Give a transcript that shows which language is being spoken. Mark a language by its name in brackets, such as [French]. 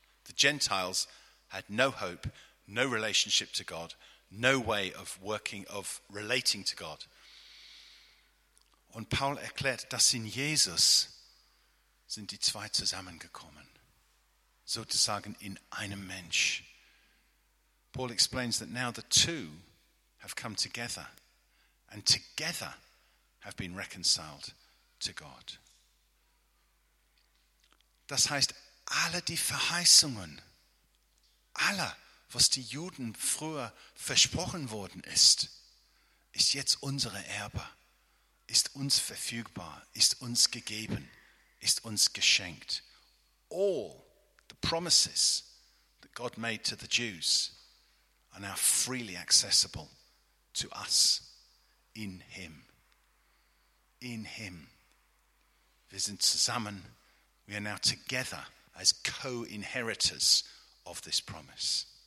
[English] The Gentiles had no hope, no relationship to God, no way of working, of relating to God. [German] Und Paul erklärt, dass in Jesus sind die zwei zusammengekommen. Sozusagen in einem Mensch. [English] Paul explains that now the two have come together and together have been reconciled to God. [German] Das heißt, alle die Verheißungen, alle, was die Juden früher versprochen worden ist, ist jetzt unsere Erbe, ist uns verfügbar, ist uns gegeben, ist uns geschenkt. [English] All the promises that God made to the Jews are now freely accessible to us in Him. In Him. [German] Wir sind zusammen. [English] We are now together as co-inheritors of this promise.